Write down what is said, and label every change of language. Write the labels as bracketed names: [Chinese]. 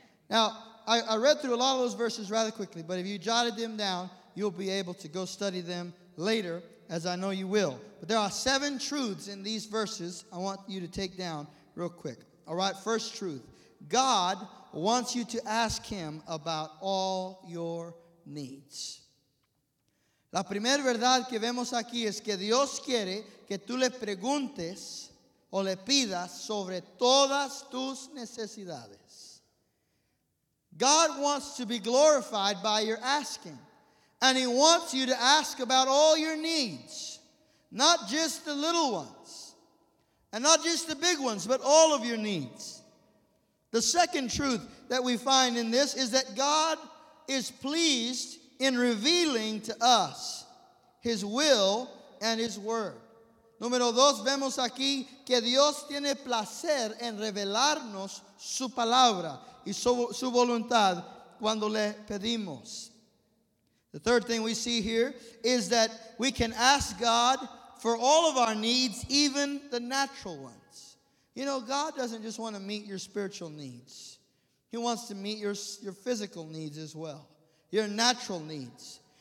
[English] Now, I read through a lot of those verses rather quickly, but if you jotted them down, you'll be able to go study them later, as I know you will. But there are seven truths in these verses I want you to take down real quick. All right, first truth. God wants you to ask him about all your needs. [Spanish] La primera verdad que vemos aquí es que Dios quiere que tú le preguntes o le pidas sobre todas tus necesidades. [English] God wants to be glorified by your asking. And he wants you to ask about all your needs, not just the little ones, and not just the big ones, but all of your needs. The second truth that we find in this is that God is pleased in revealing to us his will and his word. [Spanish] Número dos, vemos aquí que Dios tiene placer en revelarnos su palabra y su voluntad cuando le pedimos. [English] The third thing we see here is that we can ask God for all of our needs, even the natural ones. You know, God doesn't just want to meet your spiritual needs. He wants to meet your physical needs as well, your natural needs.